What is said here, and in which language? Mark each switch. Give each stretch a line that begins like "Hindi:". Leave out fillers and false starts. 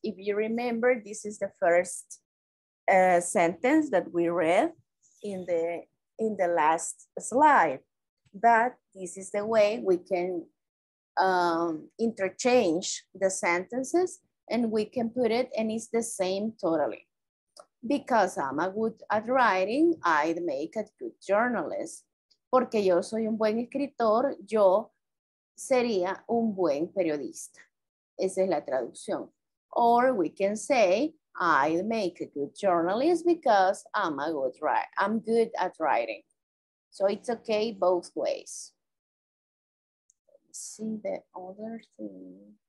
English: If you remember, this is the first sentence that we read in the last slide. But this is the way we can interchange the sentences and we can put it, and it's the same totally. Because I'm a good at writing, I make a good journalist.
Spanish: Porque yo soy un buen escritor, yo sería un buen periodista. Esa es la traducción.
English: Or we can say, I make a good journalist because I'm good at writing. So it's okay both ways. Let me see the other thing.